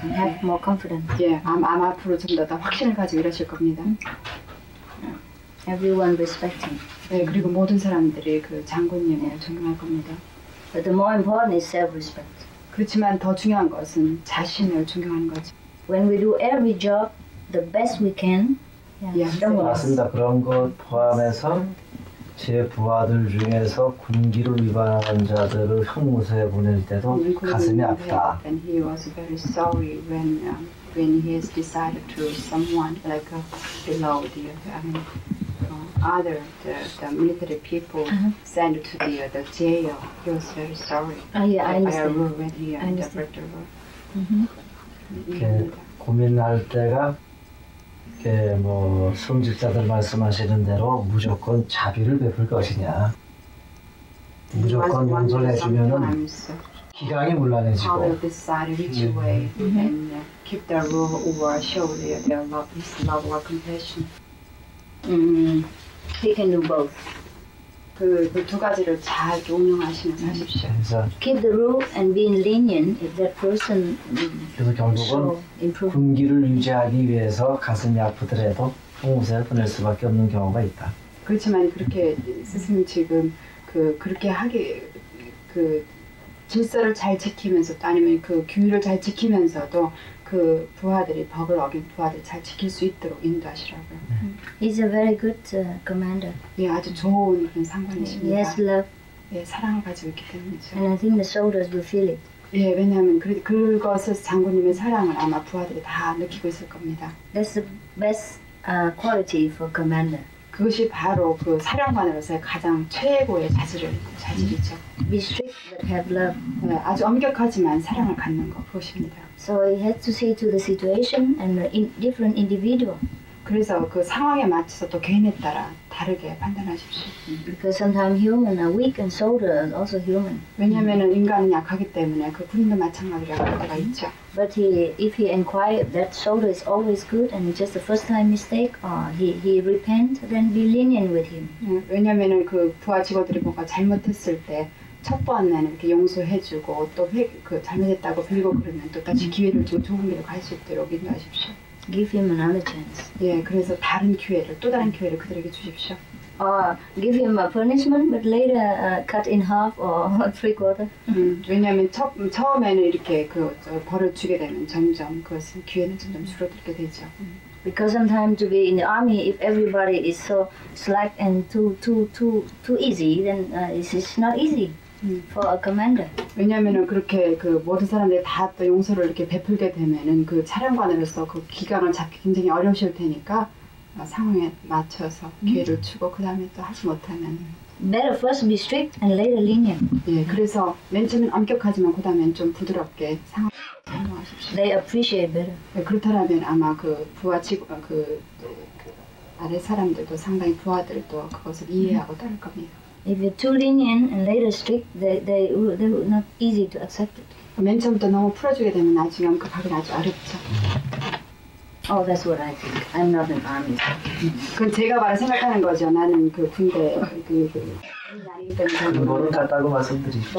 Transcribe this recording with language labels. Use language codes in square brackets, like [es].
[en] Have more confidence. [ko] 예, 암 앞으로 좀 더 확신을 가지고 이러실 겁니다. [en] Everyone respecting. [ko] 예, 그리고 모든 사람들이 그 장군님을 존경할 겁니다. [en] But the more important is self-respect. [ko] 그렇지만 더 중요한 것은 자신을 존경하는 거죠. [en] When we do every job the best we can. [ko] 예, 맞습니다. 그런 것 포함해서 제 부하들 중에서 군기를 위반한 자들을 형무소에 보낼 때도 가슴이 아프다. [en] And he was very sorry when he has decided to someone like below the military people send to the jail. He was very sorry. Yeah, I understand. I remember when he interpreted. [ko] 이렇게 고민할 때가. 예, 뭐 성직자들 말씀하시는 대로 무조건 자비를 베풀 것이냐 무조건 용서해 주면은 기강이 물러내지고 [en] How they decide which way and keep their rule or show their love, his love or compassion. He can do both. [ko] 그 두 가지를 잘 운영하시면 하십시오. 그래서 [en] keep the rule and be lenient if that person. [ko] 그래서 결국은 군기를 유지하기 위해서 가슴이 아프더라도 형무소에 보낼 수밖에 없는 경우가 있다. 그렇지만 그렇게 스승님 지금 그렇게 하기 질서를 잘 지키면서 아니면 그 규율을 잘 지키면서도 그 부하들이 법을 어긴 부하들 잘 지킬 수 있도록 인도하시라고요. [en] He's a very good commander. [ko] 예, 아주 좋은 그런 상관이십니다. [en] Yes, love. [ko] 예, 사랑을 가지고 있기 때문이죠. [en] And I think the soldiers will feel it. [ko] 예, 왜냐하면 그것을 장군님의 사랑을 아마 부하들이 다 느끼고 있을 겁니다. [en] That's the best quality for commander. [ko] 그것이 바로 그 사령관으로서의 가장 최고의 자질이죠. [en] Be strict but have love. [ko] 네, 아주 엄격하지만 사랑을 갖는 것, 그것입니다. [en] So he had to see to the situation and the different individual. [ko] 그래서 그 상황에 맞춰서 또 개인에 따라 다르게 판단하십시오. [en] Because sometimes human are weak and soldier are also human. [ko] 왜냐하면 인간은 약하기 때문에 그 군인도 마찬가지라고 할 때가 있죠. [en] But if he inquired that soldier is always good and just the first time mistake, he repent, then be lenient with him. [ko] 왜냐하면 그 부하 직원들이 뭔가 잘못했을 때 첫 번에는 이렇게 용서해주고 또 그 잘못했다고 빌고 그러면 또 다시 기회를 주고 좋은 길을 갈 수 있도록 인도하십시오. [en] Give him another chance. [ko] 예, 그래서 다른 기회를 또 다른 기회를 그들에게 주십시오. [en] Give him a punishment, but later cut in half or three quarter. [ko] 왜냐하면 처음에는 이렇게 그 벌을 주게 되면 점점 그것은 기회는 점점 줄어들게 되죠. [en] Because sometimes to be in the army, if everybody is so slack and too easy, then it's not easy. For a commander. [ko] 왜냐하면은 그렇게 그 모든 사람들이 다 또 용서를 이렇게 베풀게 되면은 그 사령관으로서 그 기강을 잡기 굉장히 어려우실 테니까 상황에 맞춰서 기회를 주고 그 다음에 또 하지 못하면. [en] Better first be strict and later lenient. [ko] 예, 그래서 맨 처음엔 엄격하지만 그 다음엔 좀 부드럽게 상황을 사용하십시오. [en] They appreciate better. [ko] 예, 그렇다면 아마 그 부하 직원 그 아래 사람들도 상당히 부하들도 그것을 이해하고 따를 겁니다. [en] If you're too lenient and later strict, they will not easy to accept it. [ko] 맨 처음부터 너무 풀어주게 되면 나중에 엄격하게 아주 어렵죠. [en] Oh, that's what I think. I'm not an army. [ko] 그건 제가 바로 생각하는 거죠. 나는 그 군대 그 그거는 같다고 말씀드리죠.